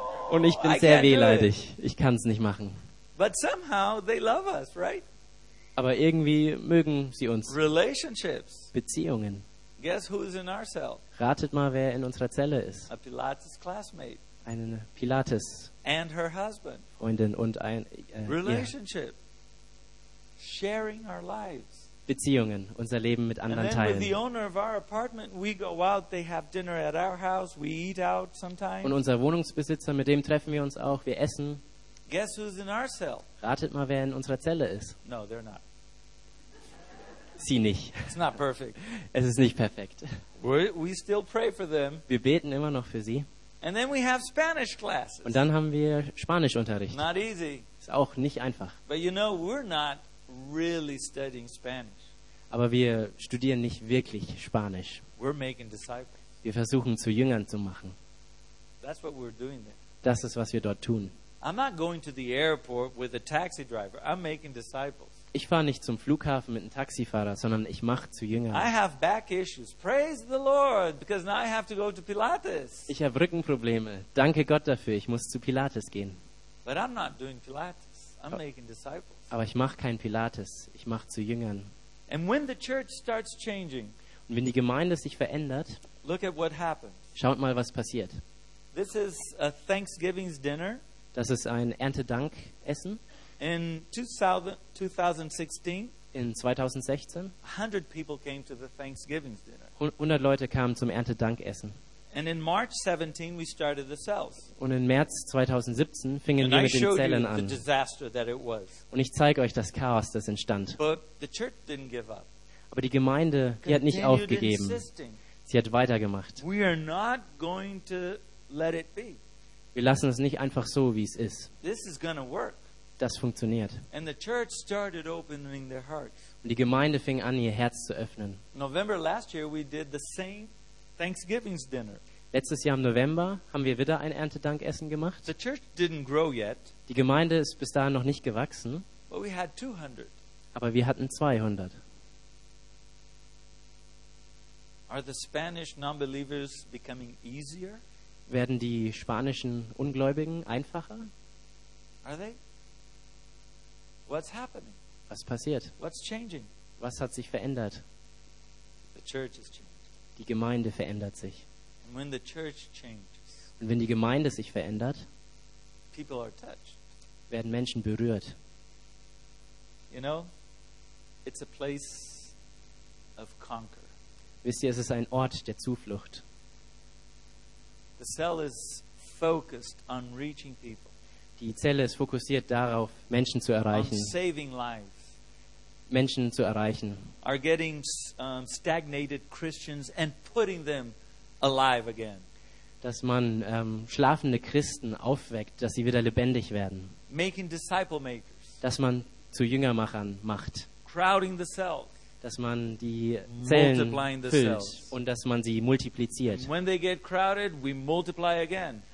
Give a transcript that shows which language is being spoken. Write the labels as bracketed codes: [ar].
[de] Und ich bin sehr wehleidig. Ich kann es nicht machen. [en] But somehow they love us, right? [de] Aber irgendwie mögen sie uns. [en] Relationships. [de] Beziehungen. [en] Guess who's in our cell? [de] Ratet mal, wer in unserer Zelle ist. [en] A Pilates classmate. [de] Eine Pilates. [en] And her husband. [de] Freundin und ein. [en] Relationship. Ja. Sharing our lives. [de] Beziehungen, unser Leben mit anderen [en] and [de] teilen. [en] With the owner of our apartment, we go out. They have dinner at our house. We eat out sometimes. [de] Und unser Wohnungsbesitzer, mit dem treffen wir uns auch. Wir essen. [en] Guess who's in our cell? [de] Ratet mal, wer in unserer Zelle ist. [en] No, they're not. [de] Sie nicht. [en] It's not perfect. [de] Es ist nicht perfekt. [en] We still pray for them. [de] Wir beten immer noch für sie. [en] And then we have Spanish classes. [de] Und dann haben wir Spanischunterricht. [en] Not easy. [de] Ist auch nicht einfach. [en] But you know, we're not really studying Spanish. [de] Aber wir studieren nicht wirklich Spanisch. [en] We're making disciples. [de] Wir versuchen zu Jüngern zu machen. [en] That's what we're doing there. [de] Das ist, was wir dort tun. [en] I'm not going to the airport with a taxi driver. I'm making disciples. [de] Ich fahre nicht zum Flughafen mit einem Taxifahrer, sondern ich mache zu Jüngern. [en] I have back issues. Praise the Lord, because now I have to go to Pilates. [de] Ich habe Rückenprobleme. Danke Gott dafür, ich muss zu Pilates gehen. [en] But I'm not doing Pilates. I'm making disciples. [de] Aber ich mache kein Pilates, ich mache zu Jüngern. [en] And when the church starts changing, [de] und wenn die Gemeinde sich verändert, [en] look at what happens. [de] Schaut mal, was passiert. [en] This is a Thanksgiving's dinner. [de] Das ist ein Erntedankessen. [en] In 2016, [de] in 2016 [en] 100 people came to the Thanksgiving's dinner. [de] 100 Leute kamen zum Erntedankessen. [en] And in March 17 we started the cells. [de] Und im März 2017 fingen wir mit den Zellen an. Und ich zeige euch das Chaos, das entstand. [en] But the church didn't give up. [de] Aber die Gemeinde, die hat nicht aufgegeben. Sie hat weitergemacht. [en] We are not going to let it be. [de] Wir lassen es nicht einfach so, wie es ist. [en] This is gonna work. [de] Das funktioniert. [en] And the church started opening their hearts. [de] Und die Gemeinde fing an, ihr Herz zu öffnen. [en] November last year we did the same Thanksgiving's dinner. [de] Letztes Jahr im November haben wir wieder ein Erntedankessen gemacht. [en] The church didn't grow yet. [de] Die Gemeinde ist bis dahin noch nicht gewachsen. [en] But we had 200. [de] Aber wir hatten 200. [en] Are the Spanish non-believers becoming easier? [de] Werden die spanischen Ungläubigen einfacher? [en] Are they? What's happening? [de] Was passiert? [en] What's changing? [de] Was hat sich verändert? [en] The church has changed. [de] Die Gemeinde verändert sich. [en] And when the church changes, [de] und wenn die Gemeinde sich verändert, [en] people are touched. [de] Werden Menschen berührt. [en] You know, it's a place of conquer. [de] Wisst ihr, es ist ein Ort der Zuflucht. [en] The cell is focused on reaching people. [de] Die Zelle ist fokussiert darauf, Menschen zu erreichen. [en] On saving lives. [de] Menschen zu erreichen. [en] Are getting stagnated Christians and putting them alive again. [de] Dass man schlafende Christen aufweckt, dass sie wieder lebendig werden. [en] Making disciple makers. [de] Dass man zu Jüngermachern macht. [en] Crowding the cells. [de] Dass man die Zellen füllt und dass man sie multipliziert. [en] When they get crowded, we multiply again.